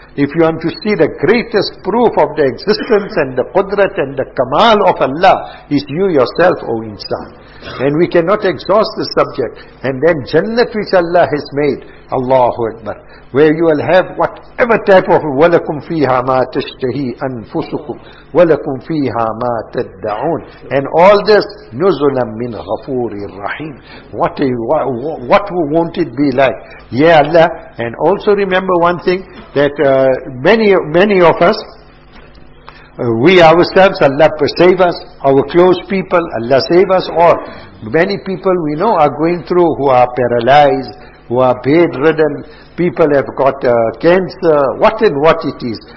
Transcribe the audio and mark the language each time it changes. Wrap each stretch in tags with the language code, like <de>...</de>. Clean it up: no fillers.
<en>If you want to see the greatest proof of the existence and the qudrat and the kamal of Allah, is you yourself, O insan. And we cannot exhaust the subject. And then jannat which Allah has made, Allahu Akbar, where you will have whatever type of</en> <ar>وَلَكُمْ فِيهَا مَا تَشْتَهِي أَنفُسُكُمْ وَلَكُمْ فِيهَا مَا تَدَّعُونَ.</ar> <en>And all this</en> <ar>نُزُلًا مِّنْ غَفُورِ الرَّحِيمِ.</ar> <en>What won't it be like? Ya Allah. And also remember one thing, that many of us, we ourselves, Allah save us, our close people, Allah save us all. Many people we know are going through, who are paralyzed, who are bedridden, people have got cancer, what and what it is.</en>